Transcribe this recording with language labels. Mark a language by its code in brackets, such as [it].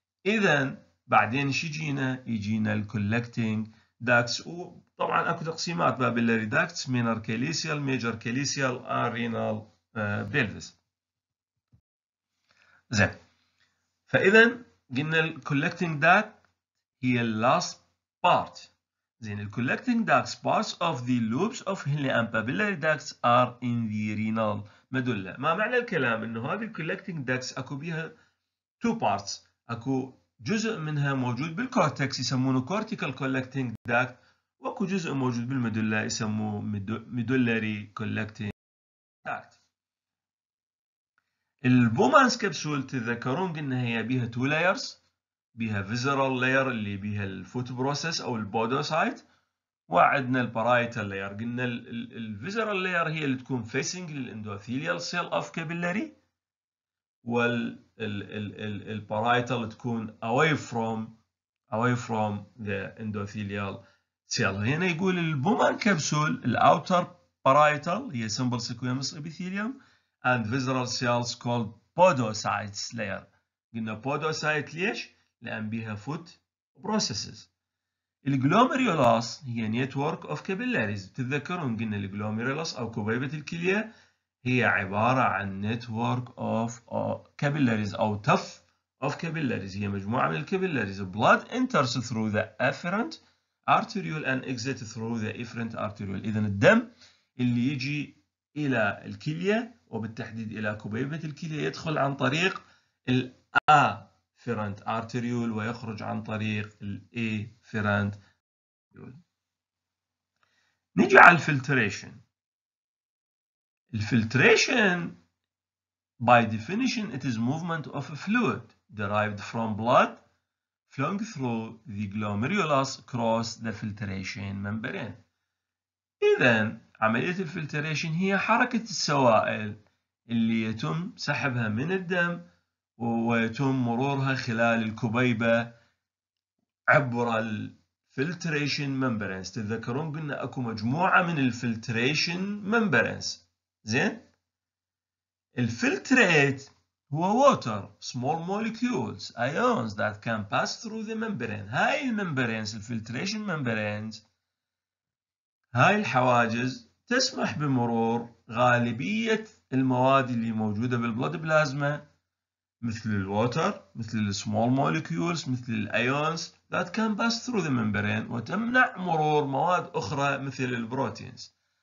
[ar] إذا بعدين شو يجينا؟ يجينا الـ collecting ducts، وطبعا اكو تقسيمات ما بين الري ducts minor calicial major calicial renal pelvis. زين، فإذا قلنا الـ collecting duct هي الـ [en] last part. [ar] زين ال [en] collecting ducts parts of the lobes of Henle and papillary ducts are in the renal medulla. [ar] ما معنى الكلام انه هذه ال collecting ducts اكو بيها [en] two parts، [ar] اكو جزء منها موجود بالكورتكس يسمونه cortical collecting duct، واكو جزء موجود بالمدلة يسموه medullary collecting duct. البومانس كبسول تذكرون قلنا هي بيها [en] two layers، [ar] بيها visceral layer اللي بيها الفوت بروسس او البودوسايت، وعندنا البارايتال layer. قلنا [en] الفيزرال layer [ar] هي اللي تكون [en] facing للاندوثيليال cell of capillary، والبارايتال [ar] تكون [en] away from the endothelial cell. [ar] هنا يقول [en] البومان كبسول الاوتر بارايتال [ar] هي [en] simple squamous epithelium and visceral cells called podocytes layer. [ar] قلنا بودوسايت ليش؟ لان بيها foot processes. [en] الجلوميرولاس [ar] هي [en] network of capillaries. [ar] تتذكرون قلنا الجلوميرولاس او كبيبة الكلية هي عبارة عن [en] network of capillaries [ar] او [en] tuff of capillaries، [ar] هي مجموعة من الكابيلاريز. [en] blood enters through the afferent arteriole and exits through the efferent arteriole. [ar] اذا الدم اللي يجي الى الكلية وبالتحديد الى كبيبة الكلية يدخل عن طريق ال afferent arteriole ويخرج عن طريق ال efferent arteriole. نجي على الفلتريشن. [en] الفلتريشن by definition it is movement of a fluid derived from blood flowing through the glomerulus across the filtration membrane. [ar] إذا عملية الفلتريشن هي حركة السوائل اللي يتم سحبها من الدم ويتم مرورها خلال الكبيبة عبر الفلتريشن membranes. تتذكرون قلنا أكو مجموعة من الفلتريشن membranes. زين [en] الفلتريت [ar] هو [en] water small molecules ions that can pass through the membrane. [ar] هاي الممبرينز الفلتريشن ممبرينز هاي الحواجز تسمح بمرور غالبية المواد اللي موجودة بالبلود بلازما مثل الوتر مثل السمول مولكيولز مثل الايونز [en] that can pass through the membrane [ar] وتمنع مرور مواد اخرى مثل البروتينز.